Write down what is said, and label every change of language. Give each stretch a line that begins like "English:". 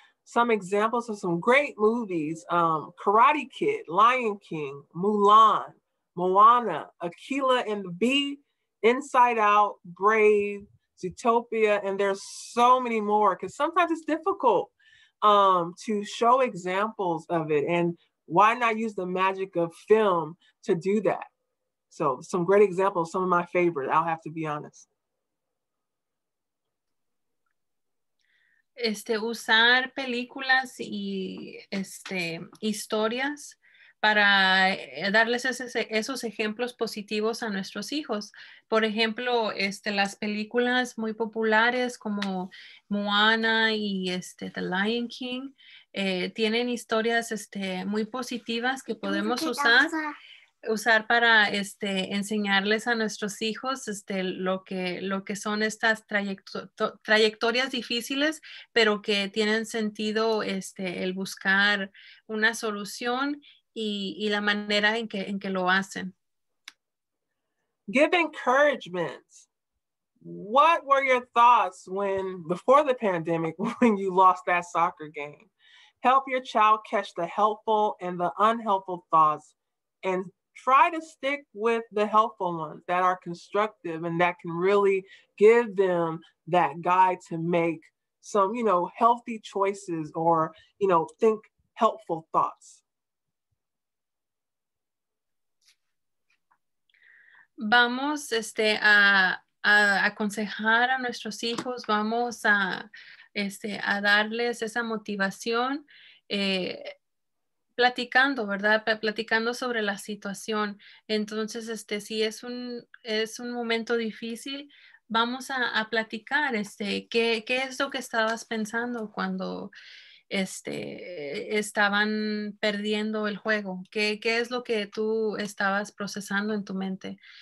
English: Some examples of some great movies, Karate Kid, Lion King, Mulan, Moana, Aquila and the Bee, Inside Out, Brave, Zootopia, and there's so many more because sometimes it's difficult to show examples of it. And why not use the magic of film to do that? So some great examples, some of my favorite, I'll have to be honest.
Spanish: Usar películas y historias para darles esos ejemplos positivos a nuestros hijos. Por ejemplo, las películas muy populares como Moana y The Lion King tienen historias muy positivas que podemos usar para enseñarles a nuestros hijos lo que son estas trayectorias difíciles, pero que tienen sentido el buscar una solución y la manera en que lo hacen.
English: Give encouragement. What were your thoughts before the pandemic when you lost that soccer game? Help your child catch the helpful and the unhelpful thoughts and try to stick with the helpful ones that are constructive and that can really give them that guide to make some, you know, healthy choices or, you know, think helpful thoughts.
Spanish: Vamos a aconsejar a nuestros hijos, vamos a a darles esa motivación platicando, ¿verdad? Platicando sobre la situación. Entonces, si es un momento difícil, vamos a platicar qué es lo que estabas pensando cuando estaban perdiendo el juego, qué es lo que tú estabas procesando en tu mente.